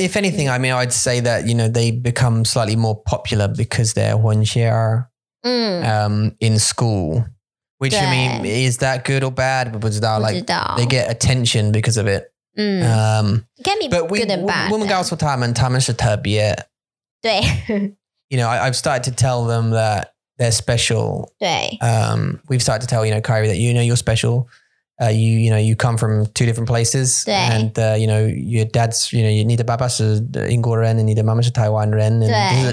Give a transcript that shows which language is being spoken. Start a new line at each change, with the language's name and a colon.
English: If anything, I mean, I'd say that, you know, they become slightly more popular because they're 混血儿. In school, which I mean, is that good or bad?
Chinese: 不知道,
English: like, they get attention because of it. It can be but good and bad.
Chinese: 我们告诉他们, 他们是特别, 对,
English: you know, I've started to tell them that they're special.
Chinese: 对,
English: we've started to tell, you know, Kyrie that, you know, you're special. You know, you come from two different places.
Chinese: 对,
English: and, you know, your dad's, you know, you need a baba is English and your mom is Taiwan. And
Chinese: 对,